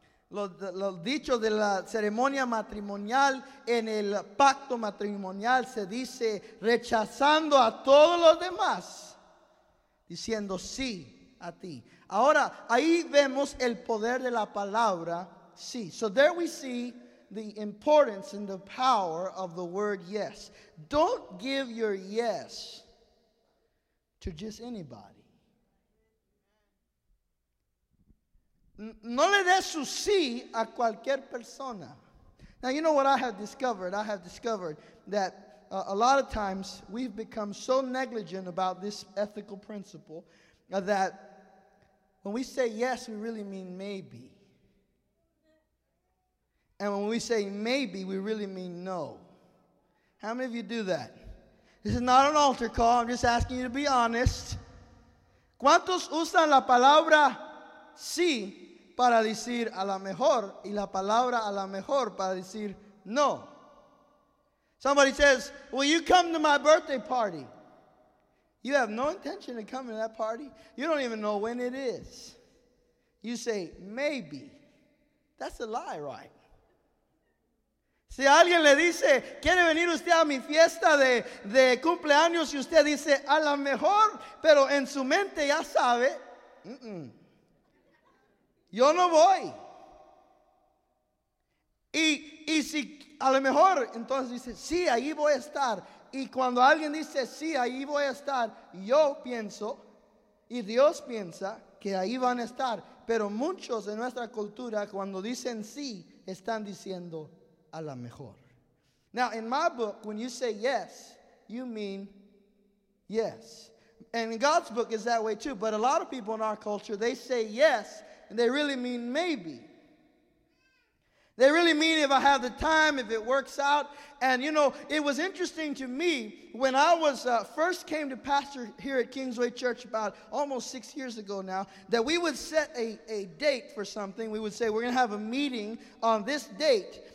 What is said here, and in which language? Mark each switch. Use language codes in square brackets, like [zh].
[es] Los dichos de la ceremonia matrimonial, en el pacto matrimonial, se dice rechazando a todos los demás, diciendo sí a ti. Ahora, ahí vemos el poder de la palabra sí. [en] So there we see the importance and the power of the word yes. Don't give your yes to just anybody. [es] No le des su sí a cualquier persona. [en] Now, you know what I have discovered? I have discovered that a lot of times we've become so negligent about this ethical principle that when we say yes, we really mean maybe. And when we say maybe, we really mean no. How many of you do that? This is not an altar call. I'm just asking you to be honest. [es] ¿Cuántos usan la palabra sí para decir a la mejor y la palabra a la mejor para decir no? [en] Somebody says, will you come to my birthday party? You have no intention of coming to that party. You don't even know when it is. You say, maybe. That's a lie, right? [es] Si alguien le dice, ¿quiere venir usted a mi fiesta de cumpleaños? Y usted dice, a la mejor, pero en su mente ya sabe, mm-mm. Yo no voy. Y si a lo mejor entonces dice, sí, ahí voy a estar. Y cuando alguien dice, sí, ahí voy a estar, yo pienso y Dios piensa que ahí van a estar. Pero muchos en nuestra cultura, cuando dicen sí, están diciendo a lo mejor. [en] Now, in my book, when you say yes, you mean yes. And in God's book is that way too. But a lot of people in our culture, they say yes, and they really mean maybe. They really mean if I have the time, if it works out. And you know, it was interesting to me when I was first came to pastor here at Kingsway Church about almost 6 years ago now, that we would set a date for something. We would say, we're going to have a meeting on this date.